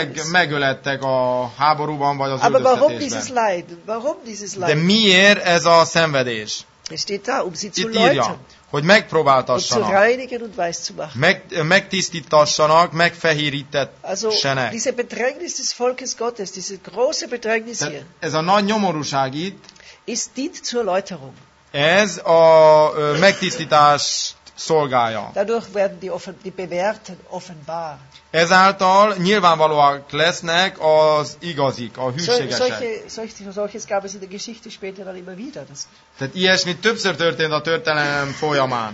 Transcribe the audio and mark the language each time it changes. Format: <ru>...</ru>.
<hu>Megölettek a háborúban vagy az üldöztetésben. De miért ez a szenvedés? Itt írja, hogy megpróbáltassanak, megtisztítassanak, megfehérítessenek.</hu> <de>Diese Bedrängnis des Volkes Gottes, diese große Bedrängnis hier.</de> <hu>Ez a nagy nyomorúság itt.</hu> <de>Ist dient zur Läuterung.</de> <hu>Ez a megtisztítást szolgálja.</hu> <de>Dadurch werden die Bewährten offenbar.</de> <hu>Ezáltal nyilvánvalóak lesznek az igazik, a hűségesek.</hu> <de>Solches gab es in der Geschichte später dann immer wieder.</de> <hu>Tehát ilyesmi többször történt a történelem folyamán.</hu>